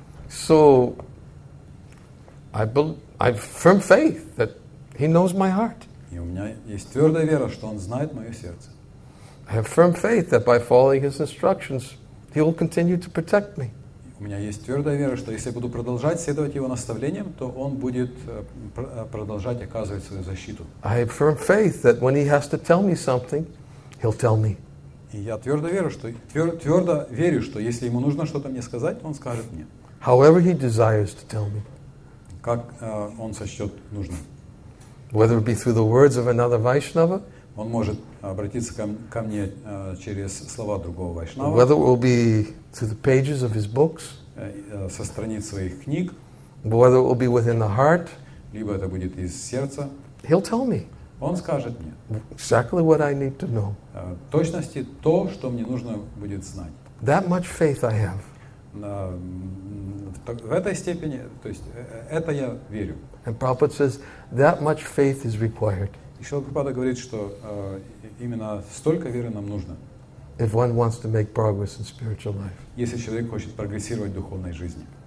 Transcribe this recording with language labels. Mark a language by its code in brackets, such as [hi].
[en] So, I have firm faith that he knows my heart. [ru] И у меня есть твердая вера, что он знает мое сердце. [en] I have firm faith that by following his instructions, he will continue to protect me. [ru] У меня есть твердая вера, что если я буду продолжать следовать его наставлениям, то он будет продолжать оказывать свою защиту. [en] I have firm faith that when he has to tell me something, he'll tell me. [ru] И я твердо верю, что если ему нужно что-то мне сказать, он скажет мне. [en] However he desires to tell me. [ru] Как он сочтет нужным. [en] Whether it be through the words of another Vaishnava. [ru] Он может обратиться ко мне через слова другого Вайшнава. [en] Whether it will be through the pages of his books. [ru] Со страниц своих книг. [en] Whether it will be within the heart. [ru] Либо это будет из сердца. [en] He'll tell me. [ru] Он скажет мне. [en] Exactly what I need to know. [ru] Точности то, что мне нужно будет знать. [en] That much faith I have. [ru] В этой степени, то есть, это я верю. [en] And Prabhupada says, that much faith is required. [ru] И Шрила Прабхупада говорит, что именно столько веры нам нужно. [en] If one wants to make progress in spiritual life. [ru] Если человек хочет прогрессировать в духовной жизни.